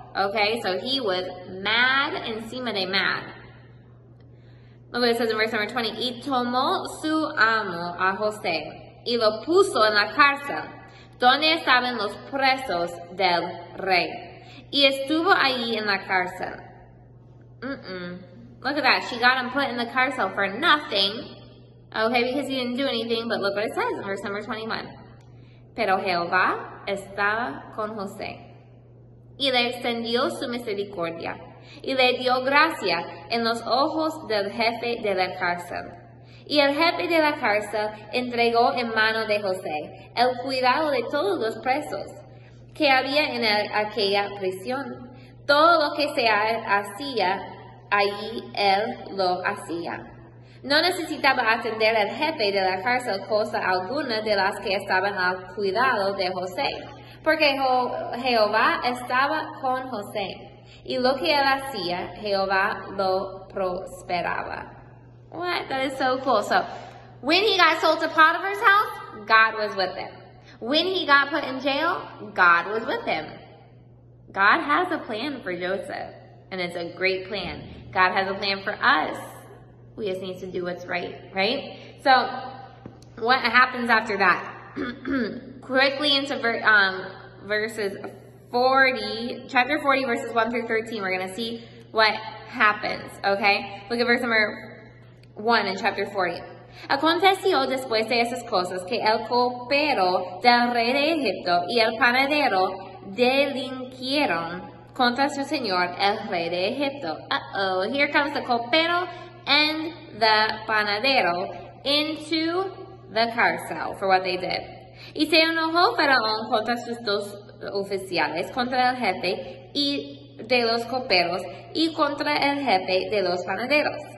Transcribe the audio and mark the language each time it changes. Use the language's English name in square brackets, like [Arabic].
[English] Okay, so he was mad [Spanish] encima de [English] mad. Look what it says in verse number 20. [Spanish] Y tomó su amo a José y lo puso en la cárcel donde estaban los presos del rey. Y estuvo allí en la cárcel. [English] Look at that. She got him put in the [Spanish] cárcel [English] for nothing. Okay, because he didn't do anything. But look what it says in verse number 21. [Spanish] Pero Jehová estaba con José. Y le extendió su misericordia, y le dio gracia en los ojos del jefe de la cárcel. Y el jefe de la cárcel entregó en mano de José el cuidado de todos los presos que había en aquella prisión. Todo lo que se hacía allí, él lo hacía. No necesitaba atender al jefe de la cárcel cosa alguna de las que estaban al cuidado de José. Porque Jehová estaba con José, y lo que él hacía, Jehová lo prosperaba. [English] What? That is so cool. So, when he got sold to Potiphar's house, God was with him. When he got put in jail, God was with him. God has a plan for Joseph, and it's a great plan. God has a plan for us. We just need to do what's right, right? So, what happens after that? Quickly into verses 40, chapter 40, verses 1 through 13, we're going to see what happens, okay? Look at verse number 1 in chapter 40. [Spanish] Aconteció después de esas cosas que el copero del rey de Egipto y el panadero delinquieron contra su señor el rey de Egipto. [English] Uh-oh, here comes the [Spanish] copero [English] and the [Spanish] panadero [English] into the [Spanish] carcel [English] for what they did. [Spanish] Y se enojó Faraón contra sus dos oficiales, contra el jefe y de los coperos y contra el jefe de los panaderos.